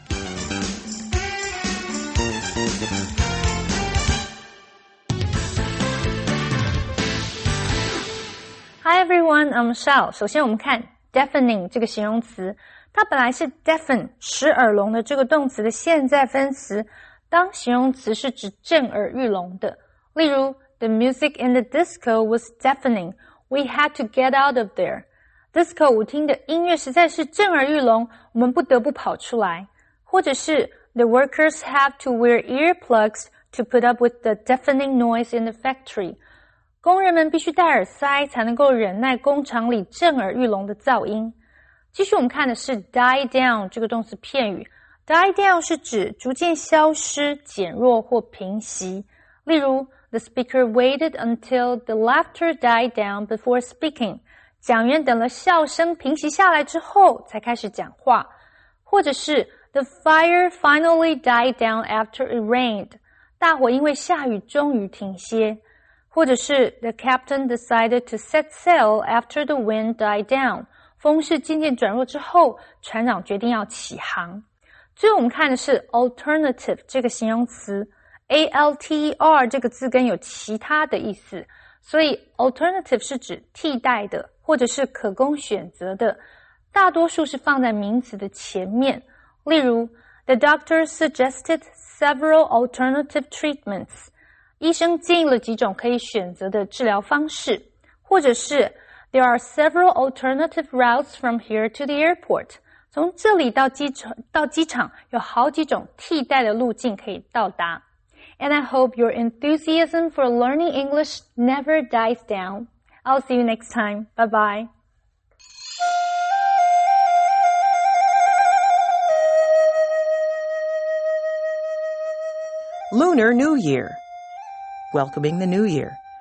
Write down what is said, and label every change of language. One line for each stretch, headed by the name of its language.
English: Hi everyone, I'm Shao.
Chinese: 首先我们看 deafening 这个形容词，它本来是 deafen 使耳聋的这个动词的现在分词，当形容词是指震耳欲聋的。例如
English: The music in the disco was deafening. We had to get out of there.
Chinese: Disco 舞厅的音乐实在是震耳欲聋，我们不得不跑出来。或者是
English: The workers have to wear earplugs to put up with the deafening noise in the factory.
Chinese: 工人们必须戴耳塞才能够忍耐工厂里震耳欲聋的噪音。继续我们看的是 die down 这个动词片语。die down 是指逐渐消失、减弱或平息。例如
English: ,the speaker waited until the laughter died down before speaking.
Chinese: 讲员等了笑声平息下来之后才开始讲话。或者是
English: ,the fire finally died down after it rained.
Chinese: 大火因为下雨终于停歇。或者是
English: The captain decided to set sail after the wind died down.
Chinese: 风势渐渐转弱之后，船长决定要起航。最后我们看的是 alternative 这个形容词。alter 这个字根有其他的意思。所以 alternative 是指替代的，或者是可供选择的。大多数是放在名词的前面。例如
English: The doctor suggested several alternative treatments.
Chinese: 医生建议了几种可以选择的治疗方式，或者是
English: There are several alternative routes from here to the airport.
Chinese: 从这里到机场有好几种替代的路径可以到达。
English: And I hope your enthusiasm for learning English never dies down. I'll see you next time. Bye bye. Lunar New Year. Welcoming the New Year.